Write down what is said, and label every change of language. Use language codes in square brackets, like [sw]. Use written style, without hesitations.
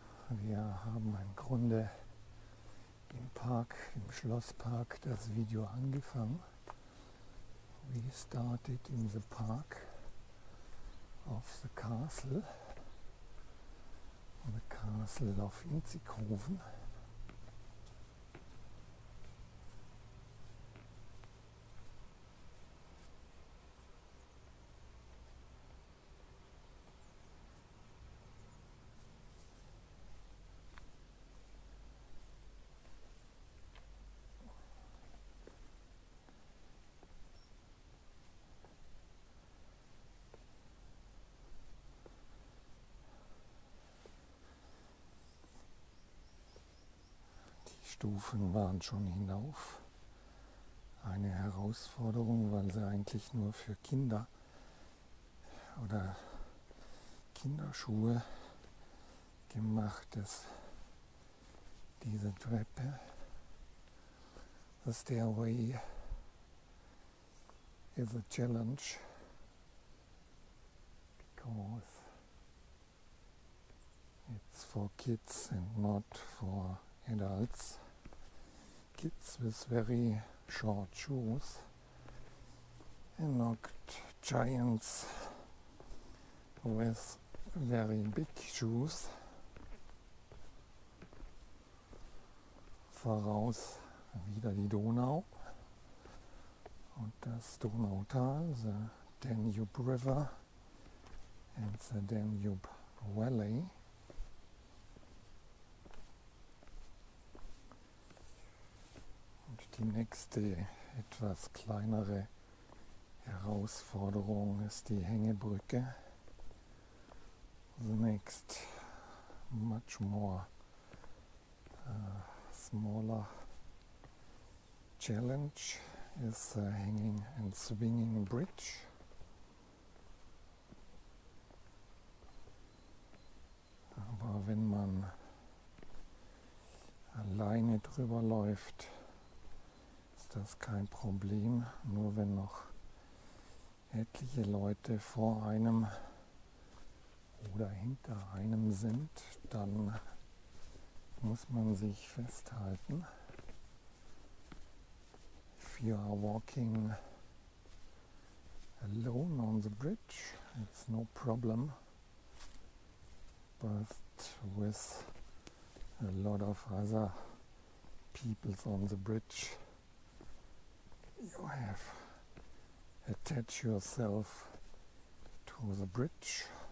[de] Wir haben im Grunde im Park, im Schlosspark, das Video angefangen. [en] We started in the park of the castle. The castle of Inzighoven. [de] Stufen waren schon hinauf. Eine Herausforderung, weil sie eigentlich nur für Kinder oder Kinderschuhe gemacht ist, diese Treppe. [en] The stairway is a challenge because it's for kids and not for adults. Kids with very short shoes and not giants with very big shoes. [de] Voraus wieder die Donau und das Donautal, [en] the Danube River and the Danube Valley. [de] Die nächste etwas kleinere Herausforderung ist die Hängebrücke. [en] The next much more smaller challenge is the hanging and swinging bridge. [de] Aber wenn man alleine drüber läuft, das ist kein Problem, nur wenn noch etliche Leute vor einem oder hinter einem sind, dann muss man sich festhalten. [en] If you are walking alone on the bridge, it's no problem. But with a lot of other people on the bridge, you have attached yourself to the bridge.